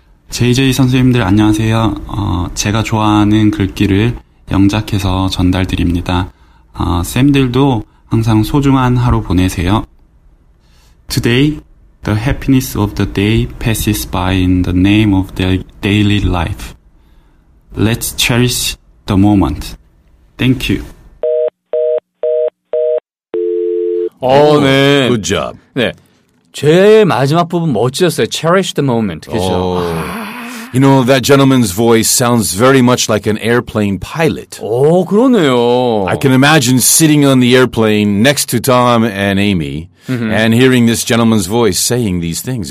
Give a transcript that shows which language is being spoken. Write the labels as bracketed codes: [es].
[ko] JJ 선생님들 안녕하세요. 제가 좋아하는 글귀를 영작해서 전달드립니다. 쌤들도 항상 소중한 하루 보내세요. [en] Today, the happiness of the day passes by in the name of the daily life. Let's cherish the moment. Thank you. [ko] 네. [en] Good job. [ko] 네. 제일 마지막 부분 멋졌어요. [en] Cherish the moment. 그렇죠? You know, that gentleman's voice sounds very much like an airplane pilot. [ko] Oh, 그러네요. [en] I can imagine sitting on the airplane next to Tom and Amy and hearing this gentleman's voice saying these things.